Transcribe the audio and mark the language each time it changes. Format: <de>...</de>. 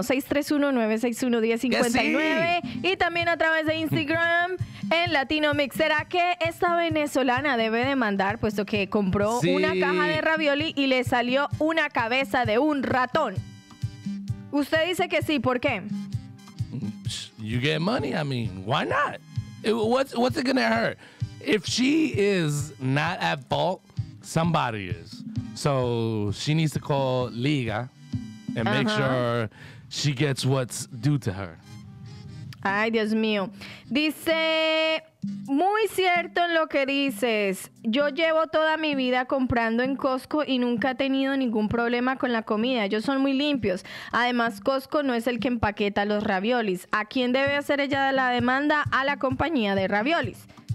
<es>631-961-1059. Sí. Y también a través de Instagram en Latino Mix. ¿Será que esta venezolana debe de mandar, puesto que compró una caja de ravioli y le salió una cabeza de un ratón? Usted dice que sí, ¿por qué?</es> <en>You get money, I mean, why not? What's it gonna hurt? If she is not at fault, somebody is. So she needs to call Liga and make sure she gets what's due to her.</en> <es>Ay, Dios mío. Dice, muy cierto en lo que dices. Yo llevo toda mi vida comprando en Costco y nunca he tenido ningún problema con la comida. Ellos son muy limpios. Además, Costco no es el que empaqueta los raviolis. ¿A quién debe hacer ella la demanda? A la compañía de raviolis.</es>